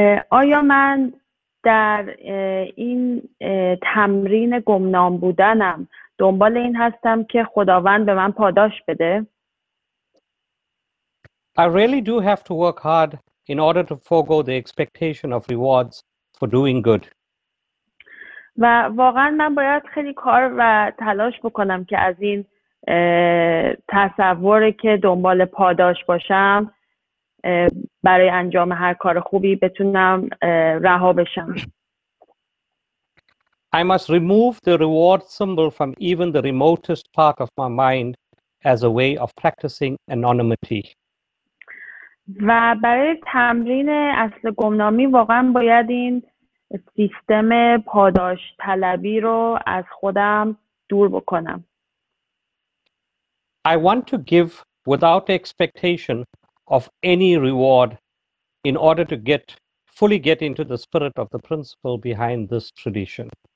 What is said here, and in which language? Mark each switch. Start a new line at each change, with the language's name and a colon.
Persian: آیا من در این تمرین گمنام بودنم دنبال این هستم که خداوند به من پاداش بده؟
English: I really do have to work hard in order to forego the expectation of rewards for doing good.
Persian: و واقعا من باید خیلی کار و تلاش بکنم که از این تصوری که دنبال پاداش باشم برای انجام هر کار خوبی بتونم رها بشم.
English: I must remove the reward symbol from even the remotest part of my mind as a way of practicing anonymity.
Persian: و برای تمرین اصل گمنامی واقعا باید این سیستم پاداش طلبی رو از خودم دور بکنم.
English: I want to give without expectation of any reward in order to fully get into the spirit of the principle behind this tradition.